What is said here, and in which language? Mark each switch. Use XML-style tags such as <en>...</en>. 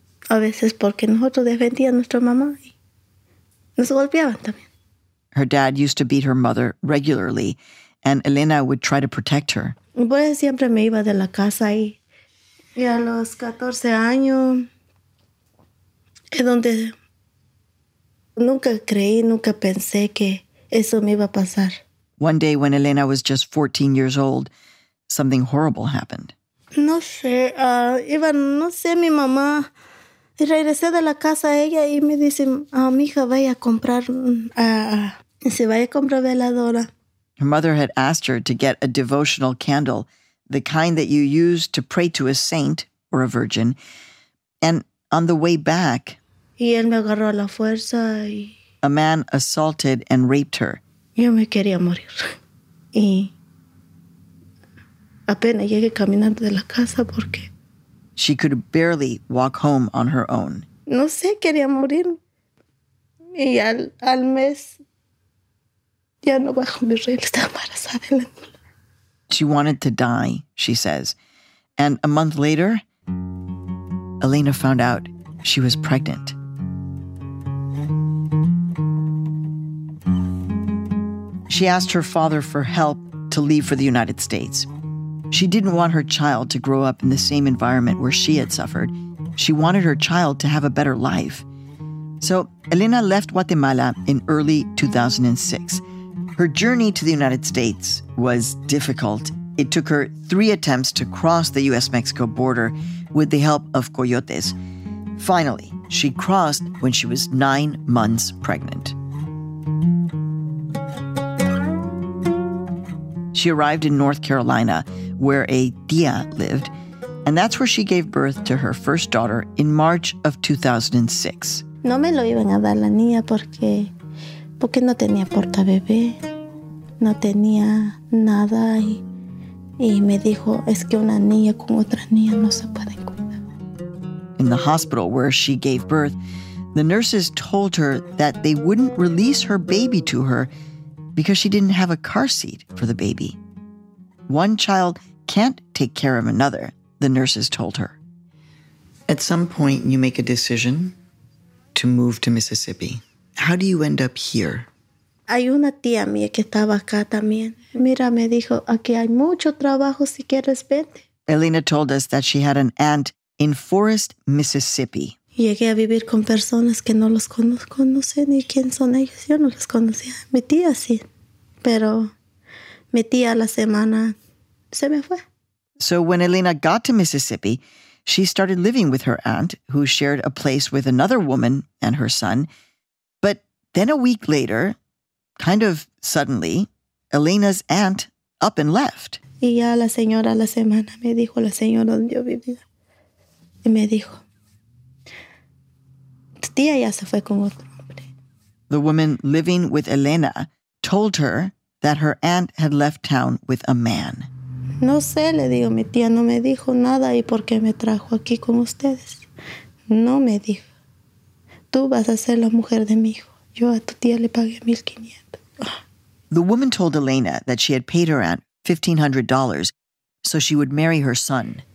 <es>A veces porque nosotros defendíamos a nuestra mamá y nos golpeaban también.</es> <en>Her dad used to beat her mother regularly, and Elena would try to protect her.</en> <es>Pues siempre me iba de la casa y a los 14 años es donde nunca creí, nunca pensé que eso me iba a pasar.</es> <en>One day when Elena was just 14 years old, something horrible happened.</en> <es>No sé, mi mamá. Y regresé de la casa a ella y me dice, mija, vaya a comprar, se vaya a comprar veladora.</es> <en>Her mother had asked her to get a devotional candle, the kind that you use to pray to a saint or a virgin. And on the way back,</en> <es>y él me agarró a la fuerza y</es> <en>a man assaulted and raped her.</en> <es>Yo me quería morir. Y apenas llegué caminando de la casa porque</es> <en>she could barely walk home on her own.</en> <es>No sé, quería morir. Y al mes ya no bajo mi regla, estaba embarazada de la niña.</es> <en>She wanted to die, she says. And a month later, Elena found out she was pregnant. She asked her father for help to leave for the United States. She didn't want her child to grow up in the same environment where she had suffered. She wanted her child to have a better life. So Elena left Guatemala in early 2006. Her journey to the United States was difficult. It took her 3 attempts to cross the U.S.-Mexico border with the help of coyotes. Finally, she crossed when she was 9 months pregnant. She arrived in North Carolina, where a tía lived, and that's where she gave birth to her first daughter in March of 2006.</en> <es>No me lo iban a dar la niña porque no tenía porta bebé, no tenía nada y me dijo es que una niña con otra niña no se puede cuidar.</es> <en>In the hospital where she gave birth, the nurses told her that they wouldn't release her baby to her because she didn't have a car seat for the baby. One child can't take care of another, the nurses told her. At some point, you make a decision to move to Mississippi. How do you end up here?</en> <es>Hay una tía mía que estaba acá también. Mira, me dijo, aquí hay mucho trabajo si quieres vente.</es> <en>Elena told us that she had an aunt in Forest, Mississippi.</en> <es>Llegué a vivir con personas que no los conozco, no sé ni quién son ellos. Yo no los conocía. Mi tía sí, pero mi tía la semana se me fue.</es> <en>So when Elena got to Mississippi, she started living with her aunt, who shared a place with another woman and her son. But then a week later, kind of suddenly, Elena's aunt up and left.</en> <es>Y ya la señora la semana me dijo, la señora donde yo vivía, y me dijo, tu tía ya se fue con otro hombre.</es> <en>The woman living with Elena told her that her aunt had left town with a man.</en> <es>No sé, le digo, mi tía no me dijo nada y por qué me trajo aquí con ustedes. No me dijo. Tú vas a ser la mujer de mi hijo. Yo a tu tía le pagué 1,500.</es> <en>The woman told Elena that she had paid her aunt $1,500 so she would marry her son.</en>